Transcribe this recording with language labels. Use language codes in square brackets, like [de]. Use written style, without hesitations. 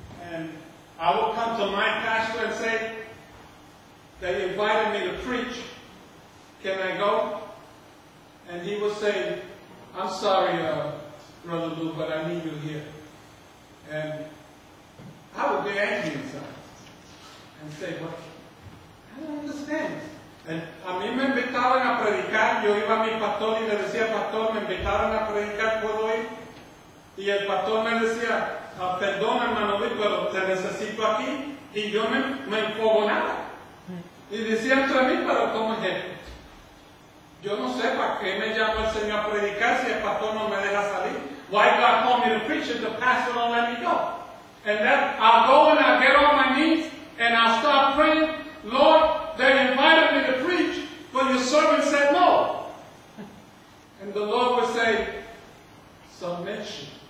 [en] And I would come to my pastor and say, they invited me to preach. Can I go? And he would say, "I'm sorry, Brother Lou, but I need you here." And I would be angry inside and say, "What? I don't understand." [es] A mí me invitaban a predicar, yo iba a mi pastor y le decía, "Pastor, me invitaron a predicar, ¿puedo ir?" Y el pastor me decía, "Perdón, hermano Luis, pero te necesito aquí." Y yo me enfogonaba. Y decía entre mí, "Pero ¿cómo es esto? Yo no sé para qué me llamó el Señor a predicar si el pastor no me deja salir. [en] Why God called me to preach if the pastor don't let me go?" And then I'll go and I'll get on my knees and I'll start praying, "Lord, they invited me to preach, but your servant said no." And the Lord would say, "Submission."